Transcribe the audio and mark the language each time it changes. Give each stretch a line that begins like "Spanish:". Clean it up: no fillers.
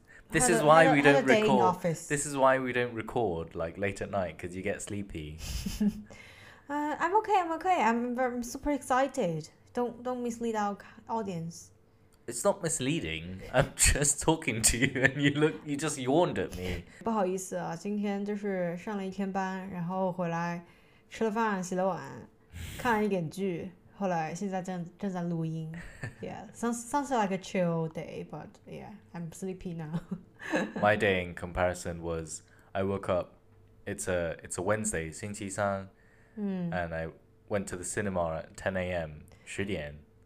English: This is why we don't record like late at night because you get sleepy. I'm okay. I'm super excited. Don't mislead our audience. It's not misleading. I'm just talking to you and you just yawned at me.
Chinese: 不好意思啊，今天就是上了一天班，然后回来吃了饭，洗了碗，看了一点剧，后来现在正在录音。
English: Yeah, sounds like a chill day, but yeah, I'm sleepy now. My day in comparison was, I woke up, it's a Wednesday,
Chinese: 星期三,
English: and I went to the cinema at 10 a.m.,
Chinese: 十点,